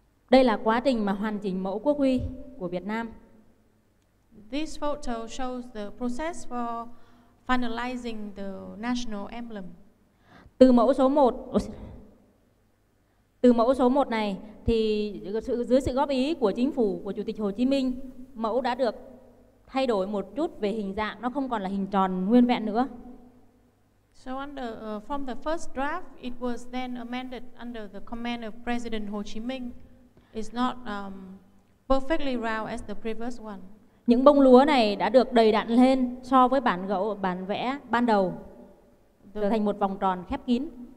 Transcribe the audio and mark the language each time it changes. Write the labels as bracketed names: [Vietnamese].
[Vietnamese] Đây là quá trình mà hoàn chỉnh mẫu quốc huy của Việt Nam. [English] This photo shows the process for finalizing the national emblem. [Vietnamese] Từ mẫu số 1 này thì dưới sự góp ý của chính phủ của Chủ tịch Hồ Chí Minh, mẫu đã được thay đổi một chút về hình dạng, nó không còn là hình tròn nguyên vẹn nữa. [English] So under from the first draft, it was then amended under the command of President Ho Chi Minh. It's not perfectly round as the previous one. [Vietnamese] Những bông lúa này đã được đầy đặn lên so với bản gỗ bản vẽ ban đầu, the, trở thành một vòng tròn khép kín.